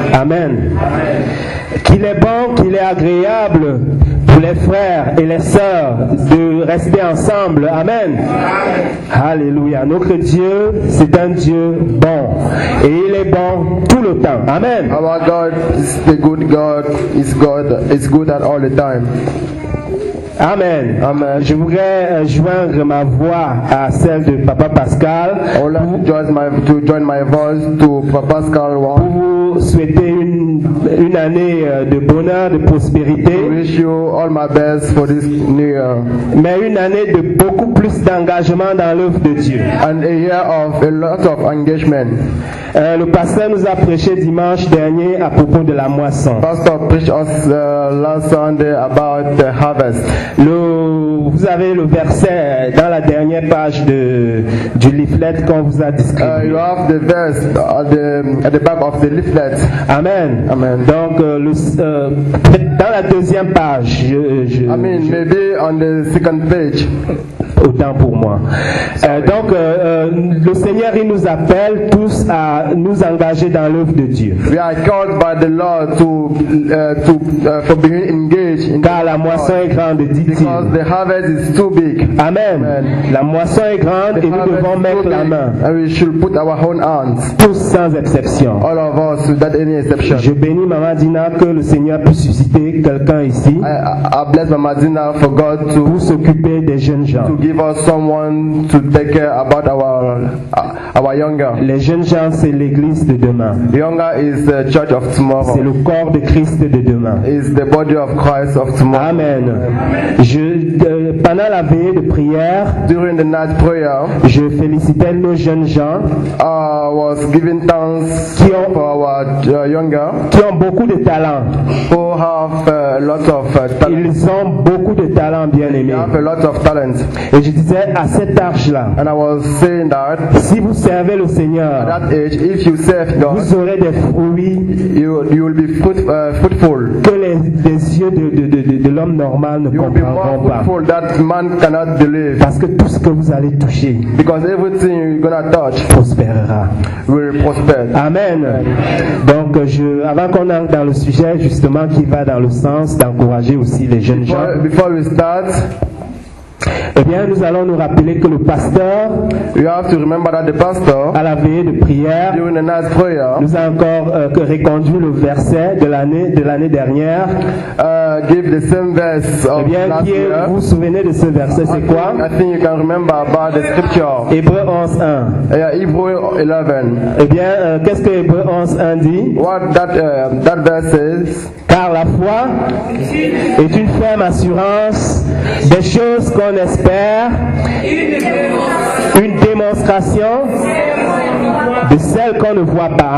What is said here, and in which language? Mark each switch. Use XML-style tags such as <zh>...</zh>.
<fr>Amen. Amen. Qu'il est bon, qu'il est agréable pour les frères et les sœurs de rester ensemble. Amen. Amen. Alléluia. Notre Dieu, c'est un Dieu bon. Et il est bon tout le temps. Amen.</fr> <en>Our God is the good God. Is God is good at all the time. Amen. Amen.</en> <fr>Je voudrais joindre ma voix à celle de Papa Pascal.</fr> <en>I would like to join my voice to Papa Pascal.</en> <fr>Pour vous souhaiter une année de bonheur, de prospérité.</fr> <en>I wish you all my best for this new year.</en> <fr>Mais une année de beaucoup plus d'engagement dans l'œuvre de Dieu.</fr> <en>And a year of a lot of engagement.</en> <fr>Le pasteur nous a prêché dimanche dernier à propos de la moisson.</fr> <en>Pastor preached us last Sunday about the harvest.</en> <fr>Vous avez le verset dans la dernière page du leaflet qu'on vous a distribué.</fr> <en>You have the verse at the back of the leaflet. Amen. Amen.</en> <fr>Donc dans la deuxième page.</fr> <en>Maybe on the second page.</en> <fr>Autant pour moi. Donc le Seigneur il nous appelle tous à nous engager dans l'œuvre de Dieu.</fr> <en>We are called by the Lord to be engaged in.</en> <fr>Car la moisson est grande, dit-il.</fr> <en>Because the harvest is too big. Amen.</en> <fr>La moisson est grande et nous devons mettre la main.</fr> <en>And we should put our own hands.</en> <fr>Tous sans exception.</fr> <en>All of us without any exception.</en> <fr>Je bénis Mama Dina que le Seigneur puisse susciter quelqu'un ici.</fr> <en>I bless Mama Dina for God to</en> <fr>s'occuper des jeunes gens.</fr> <en>Give us someone to take care about our younger.</en> <fr>Les jeunes gens, c'est l'église de demain.</fr> <en>Younger is the church of tomorrow.</en> <fr>C'est le corps de Christ de demain.</fr> <en>Is the body of Christ of tomorrow. Amen. Amen.</en> <fr>Pendant la veillée de prière,</fr> <en>during the night prayer,</en> <fr>je félicitais nos jeunes gens.</fr> <en>I was giving thanks for our younger.</en> <fr>Qui ont beaucoup de talent.</fr> <en>Who have a lot of talent.</en> <fr>Ils ont beaucoup de talent, bien aimé.</fr> <en>They have a lot of talent.</en> <fr>Et je disais à cet âge-là,</fr> <en>and I was saying that,</en> <fr>si vous servez le Seigneur,</fr> <en>at that age, if you serve God,</en> <fr>vous aurez des fruits,</fr> <en>you will be fruitful,</en> <fr>que les yeux de l'homme normal ne comprendront pas.</fr> <en>Fruitful that man cannot believe,</en> <fr>parce que tout ce que vous allez toucher,</fr> <en>because everything you're gonna touch,</en> <fr>prospérera.</fr> <en>Will prosper. Amen.</en> <fr>Donc, avant qu'on entre dans le sujet, justement, qui va dans le sens d'encourager aussi les jeunes gens.</fr> <en>Before we start.</en> <fr>Eh bien, nous allons nous rappeler que le pasteur,</fr> <en>you have to remember that the pastor,</en> <fr>à la veillée de prière,</fr> <en>during the night prayer,</en> <fr>nous a encore reconduit le verset de l'année dernière.</fr> <en>Give the same verse of</en> <fr>eh bien,</fr> <en>last</en> <fr>qui</fr> <en>year.</en> <fr>Vous vous souvenez de ce verset, c'est quoi?</fr> <en>I think you can remember about the scripture.</en> <fr>Hébreux 11:1.</fr> <en>Yeah, Hebrews 11.</en> <fr>Eh bien, qu'est-ce que Hébreux 11:1 dit?</fr> <en>What that verse is?</en> <fr>Car la foi est une ferme assurance des choses qu'on espère, une démonstration de celles qu'on ne voit pas.</fr>